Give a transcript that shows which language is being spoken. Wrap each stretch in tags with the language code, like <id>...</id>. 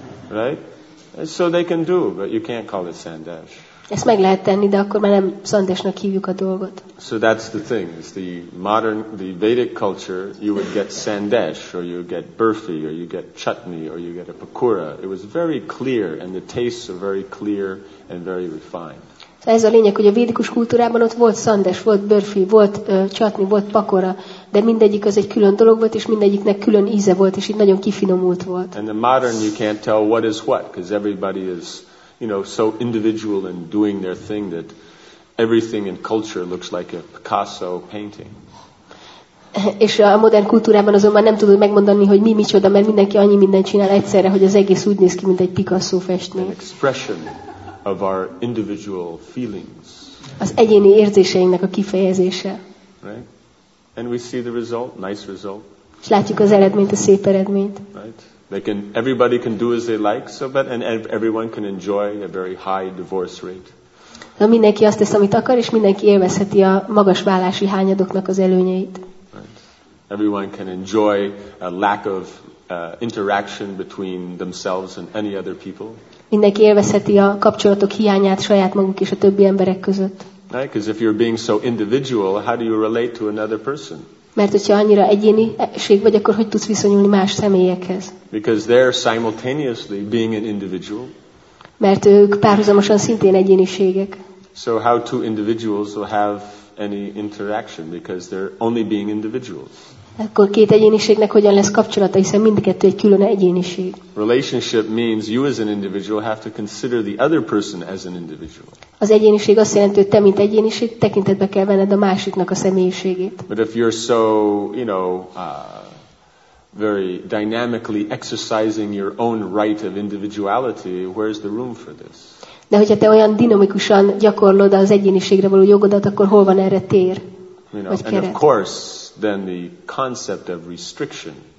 <en>Right? So they can do, but you can't call it sandesh.</en> <hu>Ezt meg lehet tenni, de akkor már nem szandesnak hívjuk a dolgot.</hu> <en>So that's the thing. It's the modern, the Vedic culture, you would get sandesh, or you get burfi, or you get chutney, or you get a pakora. It was very clear, and the tastes are very clear and very refined.</en> <hu>So ez a lényeg, hogy a védikus kultúrában ott volt szandes, volt burfi, volt chutney, volt pakora, de mindegyik az egy külön dolog volt, és mindegyiknek külön íze volt, és itt nagyon kifinomult volt.</hu> <en>And the modern, you can't tell what is what, because everybody is, you know, so individual and doing their thing that everything in culture looks like a Picasso painting.</en> <hu>És a modern kultúrában azonban nem tudod megmondani, hogy mi micsoda, mert mindenki annyi mindent csinál egyszerre, hogy az egész úgy néz ki, mint egy Picasso festmény.</hu> <en>An expression of our individual feelings.</en> <hu>Az egyéni érzéseinknek a kifejezése.</hu> <en>Right? And we see the result, nice result.</en> <hu>És látjuk az eredményt, a szép eredményt.</hu> <en>Right? They can, everybody can do as they like, so but and everyone can enjoy a very high divorce rate.</en> <hu>De mindenki azt tesz, amit akar, és mindenki élvezheti a magas válási hányadoknak az előnyeit.</hu> <en>Right. Everyone can enjoy a lack of interaction between themselves and any other people.</en> <hu>Mindenki élvezheti a kapcsolatok hiányát saját maguk és a többi emberek között.</hu> <en>Right, because if you're being so individual, how do you relate to another person?</en> <hu>Mert hogyha annyira egyéniség vagy, akkor hogy tudsz viszonyulni más személyekhez?</hu> <en>Because they're simultaneously being an individual.</en> <hu>Mert ők párhuzamosan szintén egyéniségek.</hu> <en>So how two individuals will have any interaction because they're only being individuals.</en> <hu>Akkor két egyéniségnek hogyan lesz kapcsolata, hiszen mindkettő egy külön egyéniség.</hu> <en>Relationship means you as an individual have to consider the other person as an individual.</en> <hu>Az egyéniség azt jelenti, hogy te mint egyéniség tekintetbe kell venned a másiknak a személyiségét.</hu> <en>But if you're so, you know, very dynamically exercising your own right of individuality, where's the room for this?</en> <hu>De hogyha te olyan dinamikusan gyakorlod az egyéniségre való jogodat, akkor hol van erre tér?</hu> <en>You know, and of course, then the concept of restriction.</en>